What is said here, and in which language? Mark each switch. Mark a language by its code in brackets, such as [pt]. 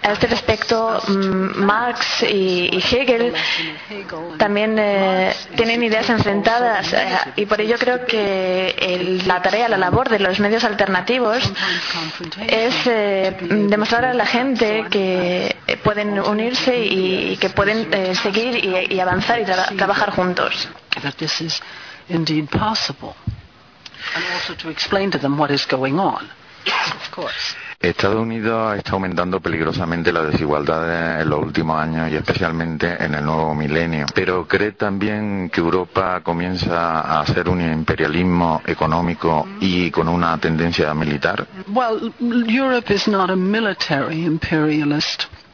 [es] A este respecto, Marx y Hegel también tienen ideas enfrentadas, y por ello creo que la labor de los medios alternativos es demostrar a la gente que pueden unirse y que pueden seguir y avanzar y trabajar juntos. [en] That this is indeed possible. And also to explain to them what is going on, of course. [es] Estados Unidos está aumentando peligrosamente la desigualdad en los últimos años y especialmente en el nuevo milenio. ¿Pero cree también que Europa comienza a hacer un imperialismo económico y con una tendencia militar? [en] Europe is not a military imperialist.